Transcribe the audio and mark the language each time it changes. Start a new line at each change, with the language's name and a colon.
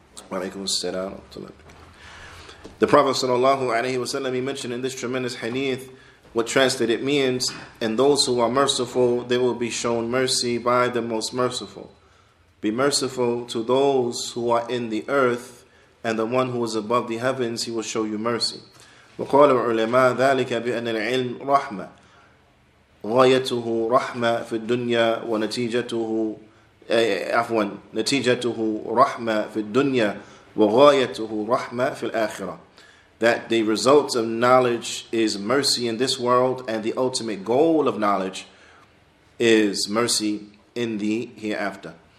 English: The Prophet sallallahu alaihi wasallam, he mentioned in this tremendous hadith what translated it means, and those who are merciful, they will be shown mercy by the most merciful. Be merciful to those who are in the earth, and the one who is above the heavens, he will show you mercy.
Arabic: وقال العلماء ذلك بأن العلم رحمة غايته رحمة في الدنيا ونتيجته نتيجته رحمة في الدنيا وغايته رحمة في الآخرة.
English: That the result of knowledge is mercy in this world, and the ultimate goal of knowledge is mercy in the hereafter.